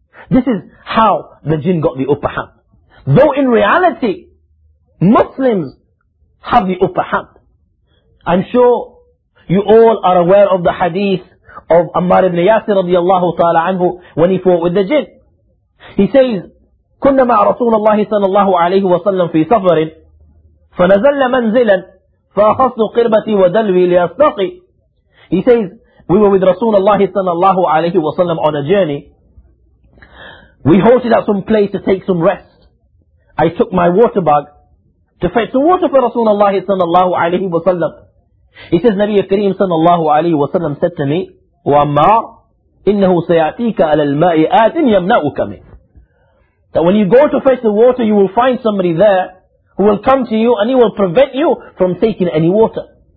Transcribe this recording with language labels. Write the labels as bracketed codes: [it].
[en] This is how the jinn got the upper hand. Though in reality, Muslims have the upper hand. I'm sure you all are aware of the hadith of Ammar ibn Yasir radiallahu ta'ala anhu when he fought with the jinn. He says, [ar] كنا مع رسول الله صلى الله عليه وسلم في سفر فنزل منزلا فأخذت قربتي ودلوي لأستقي. [en] He says, we were with Rasulullah sallallahu alayhi wa sallam on a journey. We halted at some place to take some rest. I took my water bag to fetch some water for Rasulullah sallallahu alayhi wa sallam. He says, Nabi Kareem sallallahu alayhi wa sallam said to me, [ar] وَأَمَّا إِنَّهُ سَيَعْتِيكَ عَلَى الْمَاءِ آتٍ يَمْنَأُكَ مِنْ, [en] that when you go to fetch the water, you will find somebody there who will come to you and he will prevent you from taking any water.